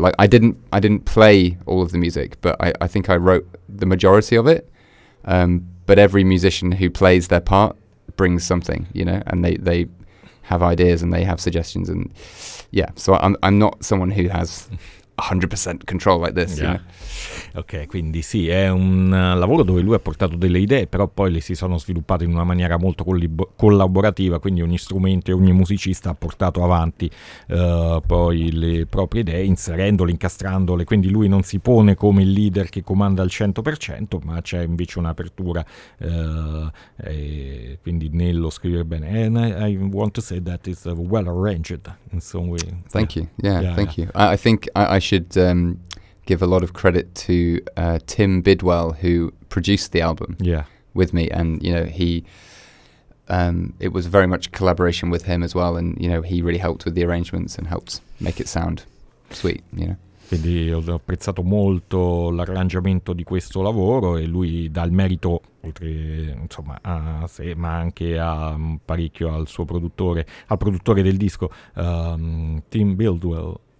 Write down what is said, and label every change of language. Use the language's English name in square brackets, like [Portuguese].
[English] Like I didn't play all of the music, but I think I wrote the majority of it, but every musician who plays their part brings something, you know, and they have ideas and they have suggestions, and yeah, so I'm not someone who has 100% control like this, yeah, you know? [Italian] Ok, quindi sì, è un lavoro dove lui ha portato delle idee, però poi le si sono sviluppate in una maniera molto collaborativa, quindi ogni strumento e ogni musicista ha portato avanti poi le proprie idee, inserendole, incastrandole, quindi lui non si pone come il leader che comanda al 100%, ma c'è invece un'apertura, e quindi nello scrivere bene. [English] And I want to say that it's well arranged in some way. Thank you, yeah. I think I should... give a lot of credit to Tim Bidwell, who produced the album with me, and you know, he it was very much collaboration with him as well, and you know, he really helped with the arrangements and helped make it sound sweet, you know. [Italian] Quindi ho apprezzato molto l'arrangiamento di questo lavoro e lui dà il merito, oltre insomma a sé, ma anche a parecchio al suo produttore, al produttore del disco, Tim Bidwell.